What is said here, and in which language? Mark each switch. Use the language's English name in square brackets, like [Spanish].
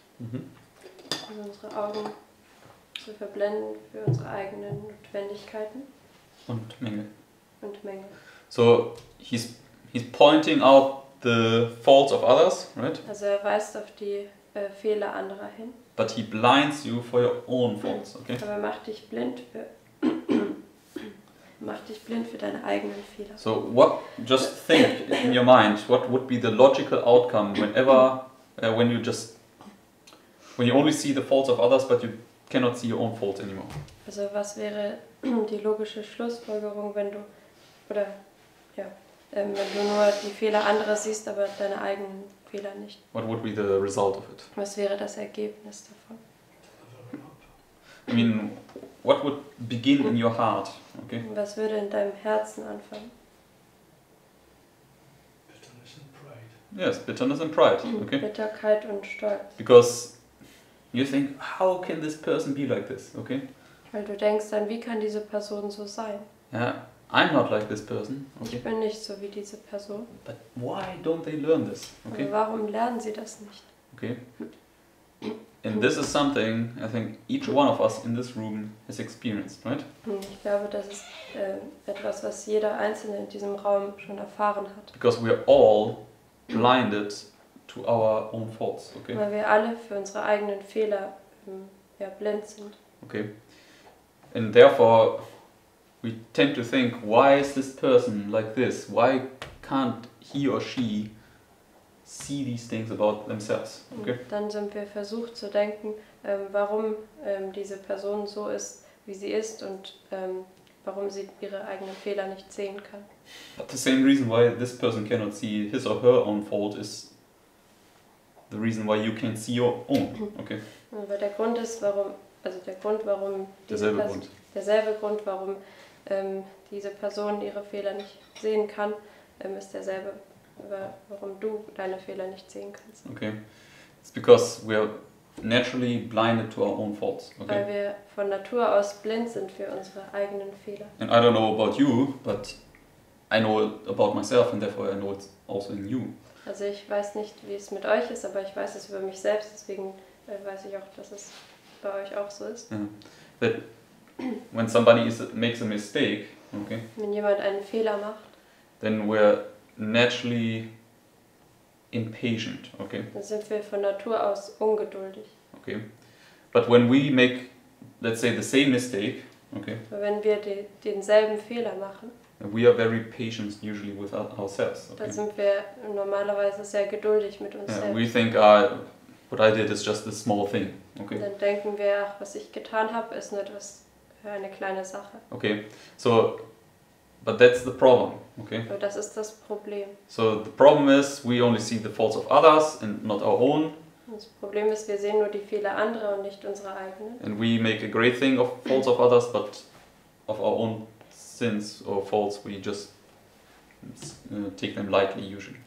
[German] Also unsere Augen zu verblenden für unsere eigenen Notwendigkeiten. Und Mängel. Und Mängel. [English] So he's pointing out the faults of others, right? [German] Also er weist auf die Fehler anderer hin. [English] But he blinds you for your own faults, okay? [German] Aber macht dich blind für mach dich blind für deine eigenen Fehler. [English] So what, just think in your mind, what would be the logical outcome whenever, when you only see the faults of others, but you cannot see your own faults anymore. [German] Also was wäre die logische Schlussfolgerung, wenn du, oder, ja, wenn du nur die Fehler anderer siehst, aber deine eigenen Fehler nicht. [English] What would be the result of it? [German] Was wäre das Ergebnis davon? [English] I mean, what would begin in your heart? Okay. [German] Was würde in deinem Herzen anfangen? [English] Bitterness and pride. Yes, bitterness and pride. Okay. [German] Bitterkeit und Stolz. [English] Because you think, how can this person be like this? Okay. [German] Weil du denkst dann, wie kann diese Person so sein? [English] Yeah, I'm not like this person. Okay. [German] Ich bin nicht so wie diese Person. [English] But why don't they learn this? Okay. [German] Aber warum lernen sie das nicht? [English] Okay. And this is something I think each one of us in this room has experienced, right? [German] Ich glaube, das ist etwas, was jeder Einzelne in diesem Raum schon erfahren hat. [English] Because we are all blinded to our own faults, okay? [German] Weil wir alle für unsere eigenen Fehler blind sind. [English] Okay. And therefore, we tend to think, why is this person like this? Why can't he or she see these things about themselves? Okay. [German] Und dann sind wir versucht zu denken, warum diese Person so ist, wie sie ist, und warum sie ihre eigenen Fehler nicht sehen kann. [English] But the same reason why this person cannot see his or her own fault is the reason why you can't see your own. Okay. [German] Aber der Grund ist, warum, also der Grund, warum diese Person, derselbe Grund, warum diese Person ihre Fehler nicht sehen kann, ist derselbe. Warum du deine Fehler nicht sehen kannst. Okay. [English] It's because we are naturally blinded to our own faults. Okay. [German] Weil wir von Natur aus blind sind für unsere eigenen Fehler. [English] And I don't know about you, but I know about myself and therefore I know it's also in you. [German] Also ich weiß nicht, wie es mit euch ist, aber ich weiß es über mich selbst, deswegen weiß ich auch, dass es bei euch auch so ist. [English] Yeah. That when somebody makes a mistake, okay. [German] Wenn jemand einen Fehler macht, [English] then we're naturally impatient, okay? [German] Dann sind wir von Natur aus ungeduldig. [English] Okay. But when we make, let's say, the same mistake, okay? [German] Aber wenn wir denselben Fehler machen, [English] we are very patient usually with ourselves, okay? [German] Dann sind wir normalerweise sehr geduldig mit uns selbst. [English] We think, what I did is just a small thing, okay? [German] Dann denken wir, ach, was ich getan habe, ist nur etwas, eine kleine Sache. [English] Okay. So, but that's the problem. Okay. [German] Aber das ist das Problem. [English] So the problem is we only see the faults of others and not our own. [German] Das Problem ist, wir sehen nur die Fehler anderer und nicht unsere eigenen. [English] And we make a great thing of faults of others, but of our own sins or faults we just take them lightly usually.